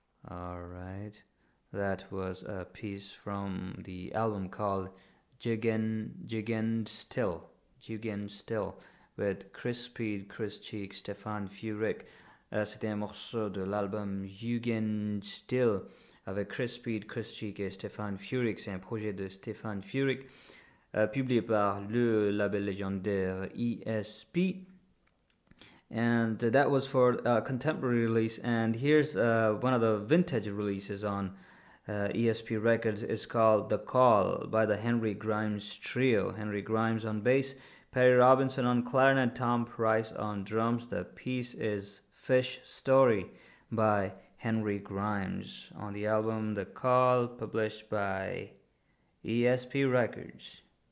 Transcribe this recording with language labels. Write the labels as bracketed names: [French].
[English] All right. That was a piece from the album called Jugendstil, with Chris Speed, Chris Cheek, Stefan Furyk. [French] C'était un morceau de l'album Jugendstil avec Chris Speed, Chris Cheek et Stefan Furyk. C'est un projet de Stefan Furyk, publié par le label légendaire ESP. [English] And that was for a contemporary release. And here's one of the vintage releases on ESP Records. It's called The Call by the Henry Grimes Trio. Henry Grimes on bass, Perry Robinson on clarinet, Tom Price on drums. The piece is Fish Story by Henry Grimes on the album The Call, published by ESP Records.